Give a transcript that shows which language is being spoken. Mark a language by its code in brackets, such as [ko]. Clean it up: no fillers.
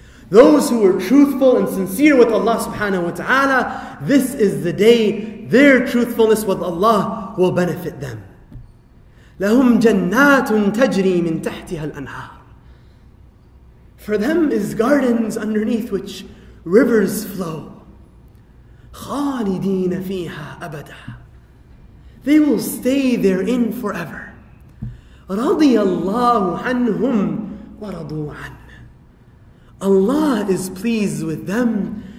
[en] Those who were truthful and sincere with Allah subhanahu wa ta'ala, this is the day their truthfulness with Allah will benefit them. [ar] لهم جنات تجري من تحتها الأنهار. [en] For them is gardens underneath which rivers flow. [ar] خالدين فيها أبدا. [en] They will stay therein forever. [ar] رضي الله عنهم ورضوا عنه. [en] Allah is pleased with them